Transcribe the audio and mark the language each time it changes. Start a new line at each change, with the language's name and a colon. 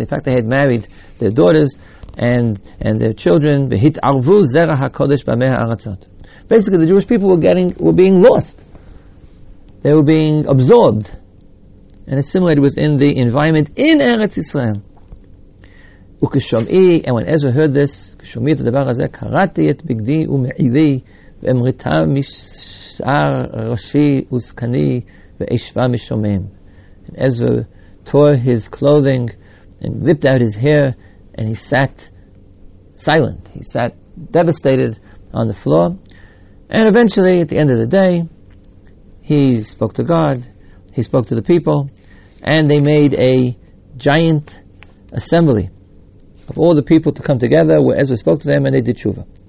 English: In fact, they had married their daughters and their children.
Hebrew: V'hit arvu zera ha'kodesh b'amei ha'aratzot.
English: Basically, the Jewish people were being lost. They were being absorbed and assimilated within the environment in Eretz Israel.
Hebrew: וכשומעי,
English: and when Ezra heard this,
Hebrew: כשומעי את הדבר הזה, קראתי את בגדי ומעילי, ואמריתה משאר ראשי וזקני, ואשבה משומם.
English: And Ezra tore his clothing, and ripped out his hair, and he sat silent. He sat devastated on the floor. And eventually, at the end of the day, he spoke to God, he spoke to the people, and they made a giant assembly of all the people to come together where Ezra spoke to them and they did tshuva.